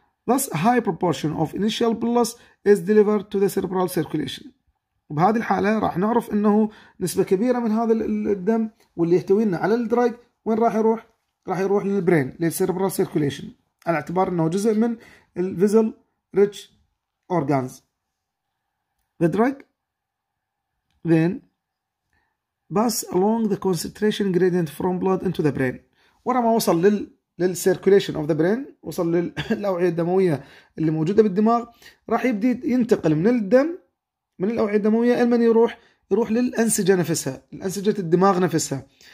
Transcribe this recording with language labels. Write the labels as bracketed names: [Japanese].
[English] Thus a high proportion of initial blood is delivered to the cerebral circulation. [Arabic] وبهذه الحالة راح نعرف انه نسبة كبيرة من هذا الدم واللي يحتوي لنا على الدرايك وين راح يروح؟ راح يروح للبرين للسيربرال سيركوليشن، على اعتبار انه جزء من الفيزل ريتش اورجانز. [English] The drug then pass along the concentration gradient from blood into the brain. [Arabic] ورا ما وصل للسيركوليشن اوف ذا برين، وصل للأوعية الدموية اللي موجودة بالدماغ، راح يبدي ينتقل من الدم من الأوعية الدموية لمن يروح؟ يروح للأنسجة نفسها، الأنسجة الدماغ نفسها.